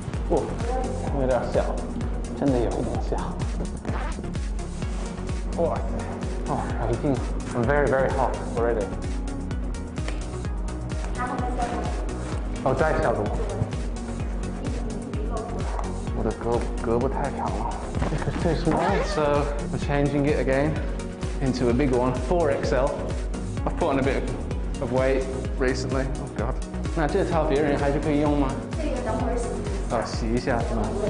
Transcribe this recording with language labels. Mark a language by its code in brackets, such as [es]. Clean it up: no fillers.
[zh] Oh, 有点小, 真的有点小. Oh, [en] oh, I think I'm very, very hot already. [zh] Oh, 再小怎么? 我的胳膊太长了. [en] This is too small. So I'm changing it again into a bigger one, 4XL. I've put on a bit of weight recently. Oh god. [zh] 那这套别人还是可以用吗? 这个等会儿洗一下。哦，洗一下是吗？